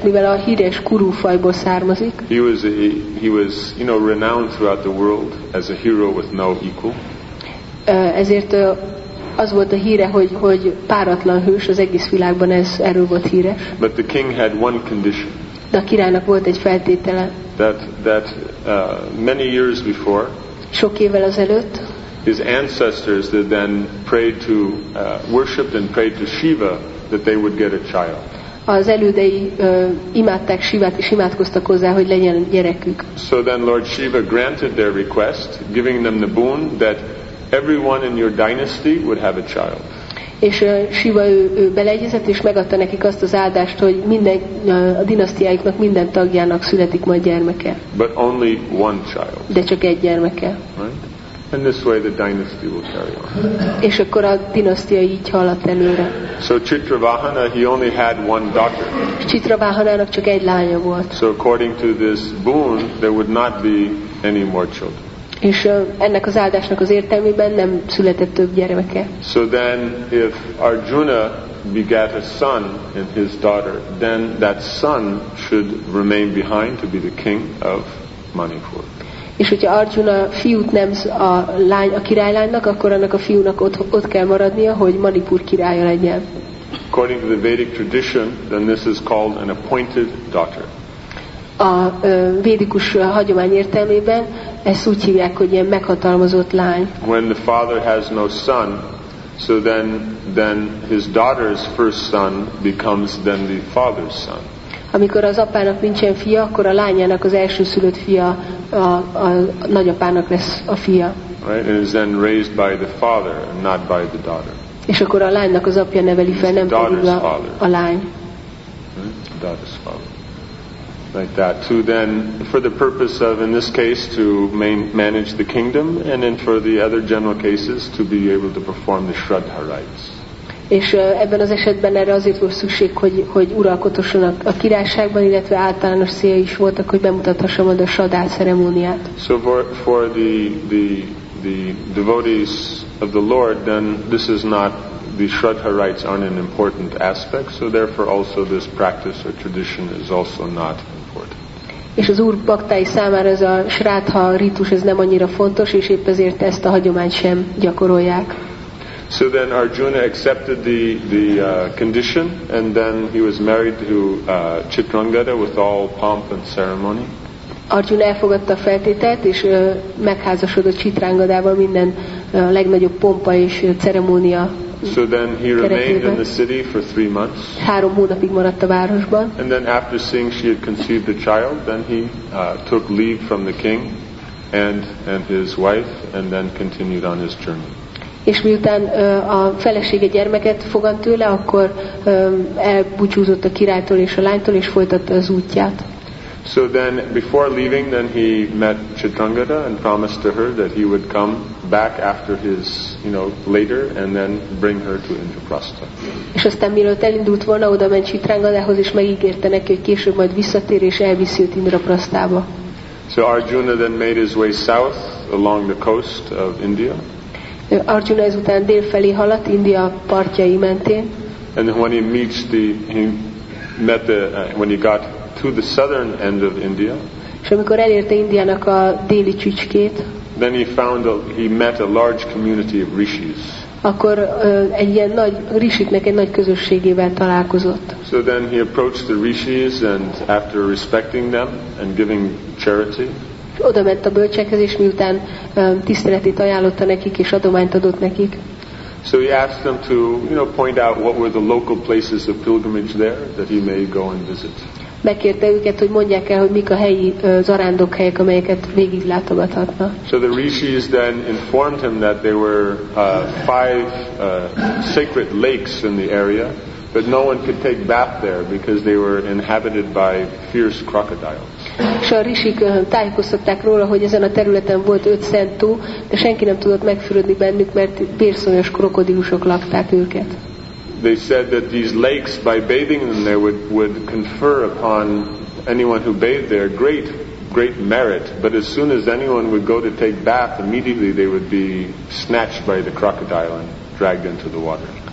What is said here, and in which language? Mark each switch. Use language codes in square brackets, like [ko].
[hu] Mivel a híres Kuru fajból származik. [en] He was you know, renowned throughout the world as a hero with no equal. [hu] Ezért az volt a híre, hogy páratlan hős, az egész világban ez erről volt híres. [en] But the king had one condition. [hu] De a királynak volt egy feltétele. [en] That many years before. [hu] Sok évvel azelőtt. [en] His ancestors that then prayed to worshipped and prayed to Shiva that they would get a child. [hu] Az elődei imádták Shivát és imádkoztak hozzá, hogy legyen gyerekük. [en] So then Lord Shiva granted their request, giving them the boon that everyone in your dynasty would have a child. [hu] És Shiva ő beleegyezett és megadta nekik azt az áldást, hogy minden a dinasztiáiknak minden tagjának születik majd gyermeke. [en] But only one child. [hu] De csak egy gyermeke. [en] Right? And this way the dynasty will carry on. [hu] És akkor a dinasztia így haladt előre. [en] So Chitravahana, he only had one daughter. [hu] Chitravahanának csak egy lánya volt. [en] So according to this boon, there would not be any more children. [hu] És ennek az áldásnak az értelmében nem született több gyermeke. [en] So then if Arjuna begat a son in his daughter, then that son should remain behind to be the king of Manipur. [hu] És hogyha Arjuna fiút nemz a királylánynak, akkor annak a fiúnak ott kell maradnia, hogy Manipur királya legyen. [en] According to the Vedic tradition, then this is called an appointed daughter. [hu] A védikus hagyomány értelmében ezt úgy hívják, hogy ilyen meghatalmazott lány. [en] When the father has no son, so then his daughter's first son becomes then the father's son. [hu] Amikor az apának nincsen fia, akkor a lányának az első szülött fia a nagyapának lesz a fia. [en] Right, and is then raised by the father, not by the daughter. [hu] És akkor a lánynak az apja neveli fel, nem pedig a lány. [en] Daughter's father. Like that. To then, for the purpose of, in this case, to manage the kingdom, and then for the other general cases, to be able to perform the Shraddha rites. [hu] És ebben az esetben erre azért volt szükség, hogy uralkodhasson a királyságban, illetve általános célja is voltak, hogy bemutathassa majd a Shraddha ceremóniát. [en] So for the devotees of the Lord, then this is not, the Shraddha rites aren't an important aspect, so therefore also this practice or tradition is also not important. [hu] És az Úr baktái számára ez a Shraddha ritus ez nem annyira fontos, és épp ezért ezt a hagyományt sem gyakorolják. [en] So then Arjuna accepted the condition, and then he was married to Chitrangada with all pomp and ceremony. [hu] Arjuna elfogadta a feltételt, és megházasodott Chitrangadával minden legnagyobb pompa és ceremónia. [en] So then he remained in the city for 3 months. [hu] 3 hónapig maradt a városban. [en] And then after seeing she had conceived a child, then he took leave from the king and his wife, and then continued on his journey. [hu] És miután a felesége gyermeket fogant tőle, akkor elbúcsúzott a királytól és a lánytól, és folytatta az útját. [en] So then, before leaving, then he met Chitrangada and promised to her that he would come back after his, you know, later, and then bring her to Indraprastha. [hu] És aztán mielőtt elindult volna, oda ment Chitrangadához, és megígérte neki, hogy később majd visszatér, és elviszi őt Indraprasthába. [en] So Arjuna then made his way south along the coast of India. [hu] Arjuna ezután délfelé haladt, India partjai mentén. [en] And when he got to the southern end of India. [hu] És amikor elérte Indiának a déli csücskét. [en] Then he met a large community of rishis. [hu] Akkor egy ilyen nagy rishiknek egy nagy közösségével találkozott. [en] So then he approached the rishis and after respecting them and giving charity. [hu] Oda ment a bölcsekhez, és miután tiszteletét ajánlotta nekik és adományt adott nekik. [en] So he asked them to, you know, point out what were the local places of pilgrimage there that he may go and visit. [hu] Megkérte őket, hogy mondják el, hogy mik a helyi zarándokhelyek, amelyeket végig látogathatna. [en] So the rishis then informed him that there were five sacred lakes in the area, but no one could take bath there because they were inhabited by fierce crocodiles. [hu] És a rishik tájékoztatták róla, hogy ezen a területen volt 5 szent tó, de senki nem tudott megfürödni bennük, mert vérszomjas krokodilusok lakták őket. [en] They said that these lakes, by bathing in there, would confer upon anyone who bathed there great merit. But as soon as anyone would go to take bath, immediately they would be snatched by the crocodile and dragged into the water.